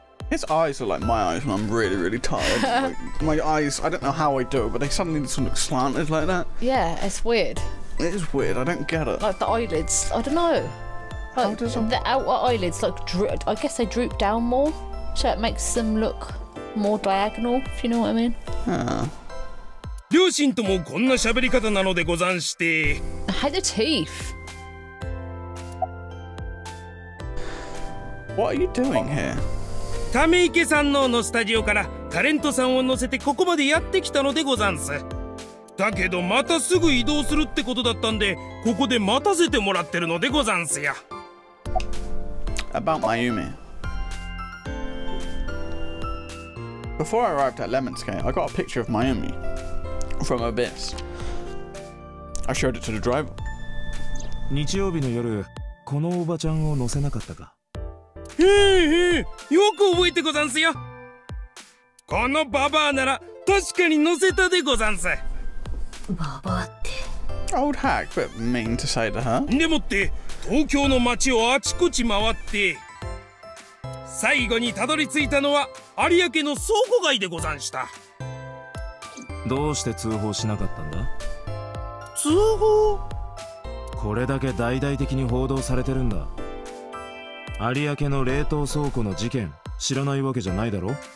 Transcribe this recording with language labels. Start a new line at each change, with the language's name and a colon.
English: His eyes are like my eyes when I'm really, really tired. Like, my eyes, I don't know how I do it, but they suddenly just look slanted like that. Yeah, it's weird. It is weird, I don't get it. Like the eyelids, I don't know. The outer eyelids, like, I guess they droop down more, so it makes them look more diagonal, if you know what I mean. Ah.
Japanese: 両親ともこんな喋り方なのでござんして。
English: I hate the teeth. What are you doing here?
Japanese: ため池さんのスタジオからタレントさんを乗せてここまでやってきたのでござんす。だけどまたすぐ移動するってことだったんで、ここで待たせてもらってるのでござんすよ。
English: About Mayumi. Before I arrived at Lemonscape, I got a picture of Mayumi from Abyss. I showed it to the driver.
Japanese: 日曜日の夜、このおばちゃんを乗せなかったか。へえへえ、よく覚えてござんすよ。このババアなら確かに乗せたでござんす。ババアって。
English: Old hack, but mean to say to her.
Japanese: でもって。東京の街をあちこち回って最後にたどり着いたのは有明の倉庫街でござんした。どうして通報しなかったんだ？通報？これだけ大々的に報道されてるんだ。有明の冷凍倉庫の事件、知らないわけじゃないだろ。